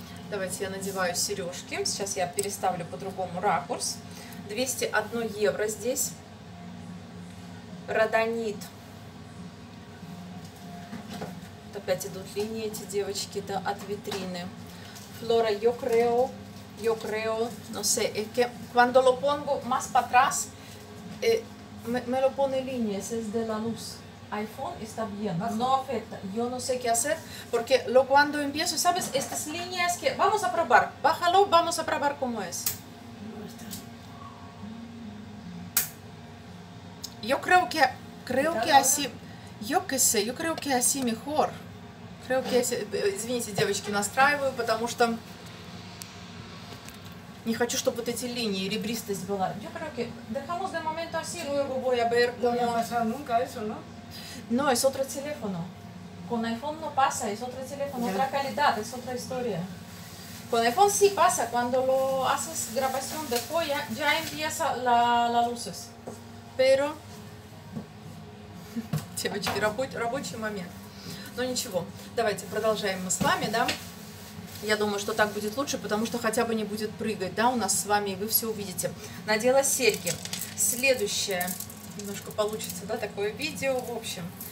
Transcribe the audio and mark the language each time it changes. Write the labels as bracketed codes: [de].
[ru] Давайте я надеваю сережки. Сейчас я переставлю по-другому ракурс. 201 евро здесь. Родонит. Вот опять идут линии эти девочки, да, от витрины. Флора Йокрео. [es] Yo creo, no sé, es que cuando lo pongo más para atrás, me lo pone líneas, es de la luz. iPhone está bien, no afecta. Yo no sé qué hacer, porque lo cuando empiezo, ¿sabes? Estas líneas que vamos a probar, bájalo, vamos a probar cómo es. Yo creo que así, yo qué sé, yo creo que así mejor. Creo que así, [ru] извините, девочки, настраиваю, потому что не хочу, чтобы вот эти линии, ребристость была. [es] Yo creo que dejamos de momento así, luego voy a ver cómo... No, no pasa nunca eso, ¿no? No, es otro teléfono. Con iPhone no pasa, es otro teléfono, yeah. Otra calidad, es otra historia. Con iPhone sí pasa, cuando lo haces grabación de joya, ya empieza la luces. Pero... [ru] Девочки, рабочий момент. Но ничего, давайте продолжаем мы с вами, да? Я думаю, что так будет лучше, потому что хотя бы не будет прыгать, да, у нас с вами, и вы все увидите. Надела серьги. Следующее, немножко получится, да, такое видео, в общем.